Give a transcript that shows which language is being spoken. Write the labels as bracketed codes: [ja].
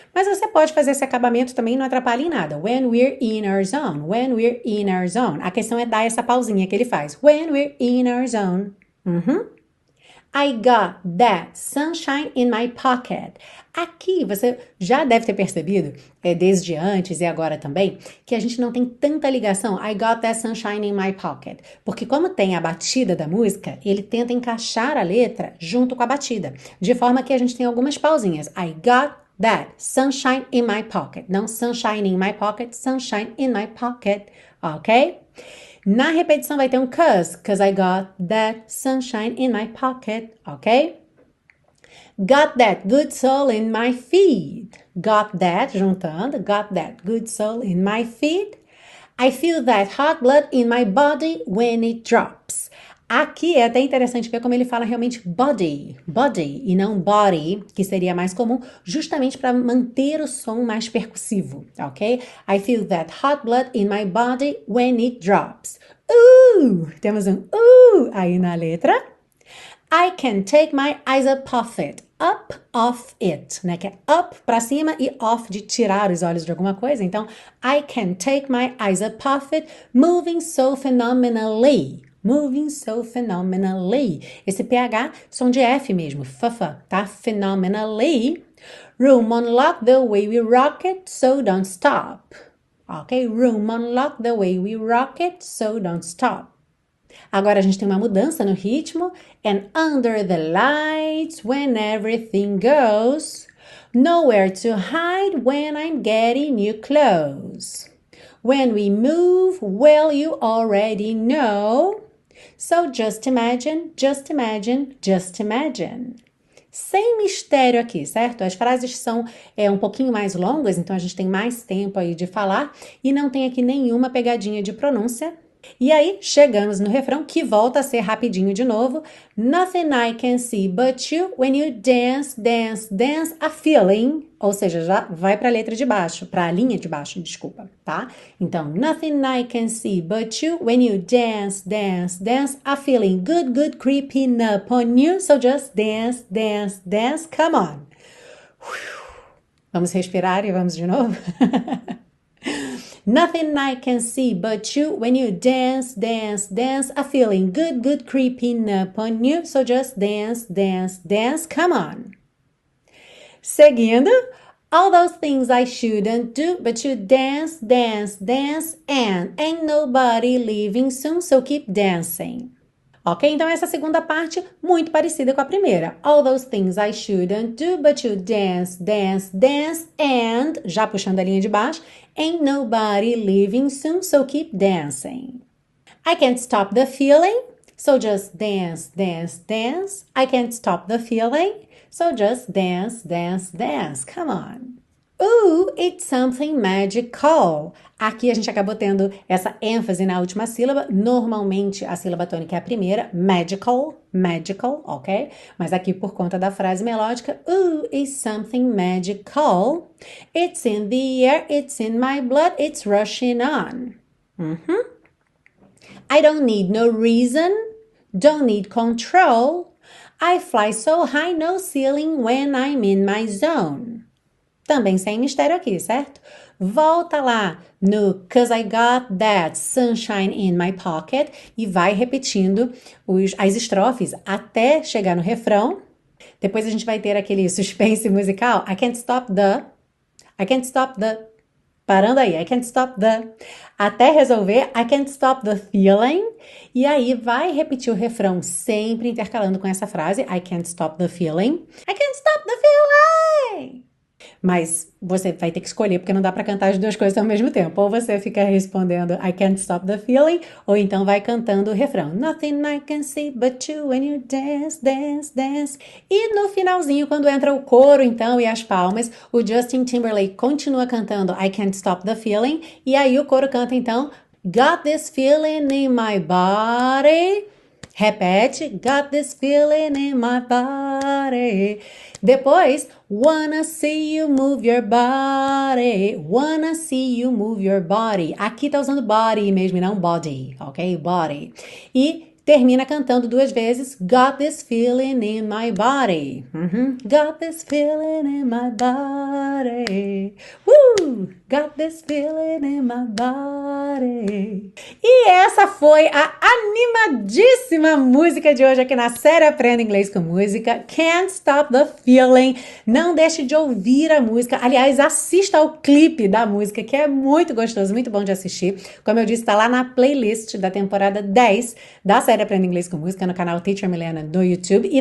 [pt] Mas você pode fazer esse acabamento também, não atrapalha em nada. [en] When we're in our zone. When we're in our zone. [pt] A questão é dar essa pausinha que ele faz. [en] When we're in our zone. I got that sunshine in my pocket. [pt] Aqui você já deve ter percebido, desde antes e agora também, que a gente não tem tanta ligação. [en] I got that sunshine in my pocket. [pt] Porque, como tem a batida da música, ele tenta encaixar a letra junto com a batida, de forma que a gente tem algumas pausinhas. [en] I got that sunshine in my pocket. Não sunshine in my pocket, sunshine in my pocket. Ok? [pt] Na repetição vai ter um [en] cause I got that sunshine in my pocket, ok? Got that good soul in my feet. Got that, juntando. Got that good soul in my feet. I feel that hot blood in my body when it drops. [pt] Aqui é até interessante ver como ele fala realmente body, body, e não body, que seria mais comum, justamente para manter o som mais percussivo, ok? [en] I feel that hot blood in my body when it drops. [pt] Temos um aí na letra. [en] I can take my eyes up off it. Up off it, né? [pt] Que é up para cima e off de tirar os olhos de alguma coisa. [en] Então, I can take my eyes up off it, moving so phenomenally. Moving so phenomenally. [pt] Esse PH, som de F mesmo. Fafa, tá? [en] Phenomenally. Room unlocked the way we rock it, so don't stop. Ok? Room unlocked the way we rock it, so don't stop. [pt] Agora a gente tem uma mudança no ritmo. [en] And under the lights, when everything goes, nowhere to hide when I'm getting new clothes. When we move, well, you already know. So just imagine, just imagine, just imagine. [pt] Sem mistério aqui, certo? As frases são um pouquinho mais longas, então a gente tem mais tempo aí de falar e não tem aqui nenhuma pegadinha de pronúncia. E aí chegamos no refrão que volta a ser rapidinho de novo. [en] Nothing I can see but you when you dance, dance, dance a feeling. [pt] Ou seja, já vai para a letra de baixo, para a linha de baixo, desculpa, tá? [en] Então, nothing I can see but you when you dance, dance, dance a feeling. Good, good creeping up on you, so just dance, dance, dance, come on. [pt] Vamos respirar e vamos de novo? [en] Nothing I can see but you when you dance, dance, dance, a feeling good, good creeping up on you. So just dance, dance, dance, come on. Seguindo, all those things I shouldn't do, but you dance, dance, dance, and ain't nobody leaving soon, so keep dancing. [pt] Ok, então essa segunda parte muito parecida com a primeira. [en] All those things I shouldn't do, but you dance, dance, dance, and, [pt] já puxando a linha de baixo, [en] ain't nobody leaving soon, so keep dancing. I can't stop the feeling, so just dance, dance, dance. I can't stop the feeling, so just dance, dance, dance. Come on. Ooh, it's something magical. [pt] Aqui a gente acabou tendo essa ênfase na última sílaba. Normalmente a sílaba tônica é a primeira, magical, magical, ok? Mas aqui por conta da frase melódica, [en] ooh, it's something magical. It's in the air, it's in my blood, it's rushing on. I don't need no reason, don't need control. I fly so high, no ceiling when I'm in my zone. [pt] Também sem mistério aqui, certo? Volta lá no [en] 'cause I got that sunshine in my pocket [pt] e vai repetindo as estrofes até chegar no refrão. Depois a gente vai ter aquele suspense musical. [en] I can't stop the. I can't stop the. [pt] Parando aí, [en] I can't stop the. [pt] Até resolver, [en] I can't stop the feeling. [pt] E aí vai repetir o refrão, sempre intercalando com essa frase. [en] I can't stop the feeling. I can't stop the feeling! [pt] Mas você vai ter que escolher, porque não dá para cantar as duas coisas ao mesmo tempo. Ou você fica respondendo [en] I can't stop the feeling, [pt] ou então vai cantando o refrão. [en] Nothing I can see but you when you dance, dance, dance. [pt] E no finalzinho, quando entra o coro, então, e as palmas, o Justin Timberlake continua cantando [en] I can't stop the feeling. [pt] E aí o coro canta, então, [en] Got this feeling in my body. Repete, got this feeling in my body. Depois, wanna see you move your body. Wanna see you move your body. [pt] Aqui tá usando body mesmo, não body, [en] ok? Body. E [pt] Termina cantando duas vezes: [en] Got this feeling in my body. Got this feeling in my body. Got this feeling in my body. [pt] E essa foi a animadíssima música de hoje aqui na série Aprenda Inglês com Música. Can't Stop the Feeling. Não deixe de ouvir a música. Aliás, assista ao clipe da música, que é muito gostoso, muito bom de assistir. Como eu disse, está lá na playlist da temporada 10 da série Aprenda Inglês com Música no canal Teacher Milena do YouTube.